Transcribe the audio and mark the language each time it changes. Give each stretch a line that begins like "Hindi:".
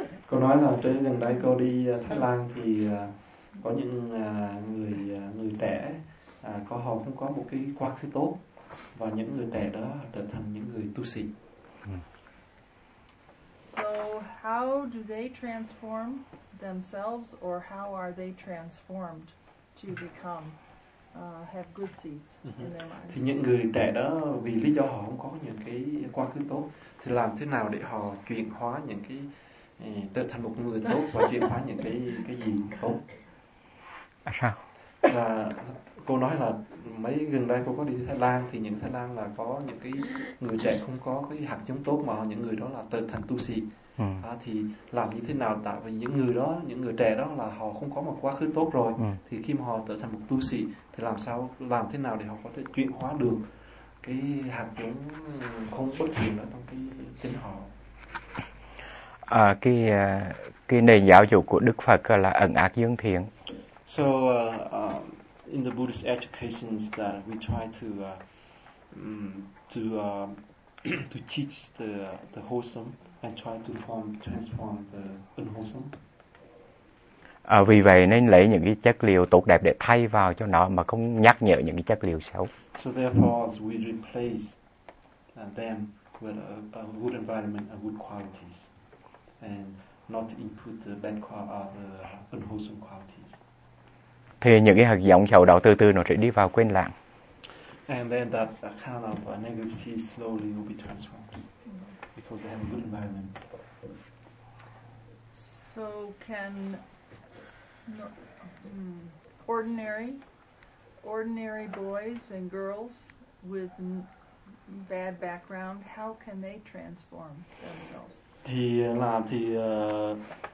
Vietnamese: Cô nói là trên gần đây cô đi Thái Lan thì có những người trẻ có họ cũng có một cái quá khứ tốt và những người trẻ đó trở thành những người tu sĩ.
English: So how do they transform themselves or how are they transformed to become have good seeds in their mind?
Vietnamese: Thì những người trẻ đó vì lý do họ không có những cái quá khứ tốt thì làm thế nào để họ chuyển hóa những cái trở thành một người tốt và chuyển hóa những cái gì tốt? À sao? Là cô nói là mấy gần đây cô có đi Thái Lan thì những Thái Lan là có những cái người trẻ không có cái hạt giống tốt mà những người đó là trở thành tu sĩ. À, thì làm như thế nào tại vì những người trẻ đó là họ không có một quá khứ tốt rồi. Thì khi mà họ trở thành một tu sĩ thì làm thế nào để họ có thể chuyển hóa được cái hạt giống không tốt gì đó trong cái tinh họ. À, cái nền giáo dục của Đức Phật là ẩn ác dương thiện.
English: So in the Buddhist education that we try to teach the wholesome and try to transform the unwholesome.
Vietnamese: À, vì vậy nên lấy những cái chất liệu tốt đẹp để thay vào cho nó mà không nhắc nhở những cái chất liệu xấu.
English: So therefore we replace them with a good environment and good qualities and not input the bad the unwholesome qualities.
Vietnamese: Thì những cái hạt giống xấu đó từ từ nó sẽ đi vào quên lãng.
English: And then that kind of negative seed slowly will be transformed because they have a good environment. So can ordinary boys and girls with bad background, how can they transform themselves?